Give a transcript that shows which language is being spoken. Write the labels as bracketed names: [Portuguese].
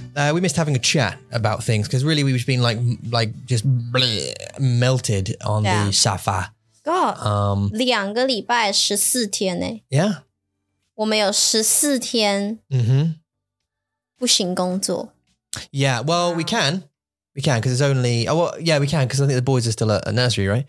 [English] We missed having a chat about things because really we've been like just melted on the sofa. [Chinese] God. 两个礼拜十四天耶。 [English] Yeah. [Chinese] 我们有十四天不行工作。 [English] Yeah, well, we can. We can, because it's only... Oh, well, yeah, we can, because I think the boys are still at a nursery, right?